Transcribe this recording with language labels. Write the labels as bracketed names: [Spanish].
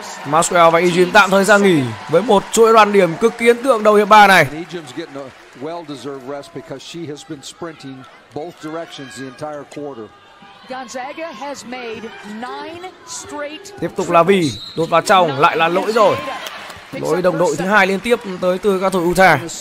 [Vietnamese] Maxwell và Ejim tạm thời ra nghỉ với một chuỗi đoạn điểm cực kỳ ấn tượng đầu hiệp 3 này. [English] Ejim's getting a well-deserved rest because she has been sprinting both directions the entire quarter. Gonzaga has made 9 straight. [Vietnamese] Tiếp tục là Vy đột vào trong, lại là lỗi rồi. Lỗi đồng đội thứ hai liên tiếp tới từ các thủ Utah.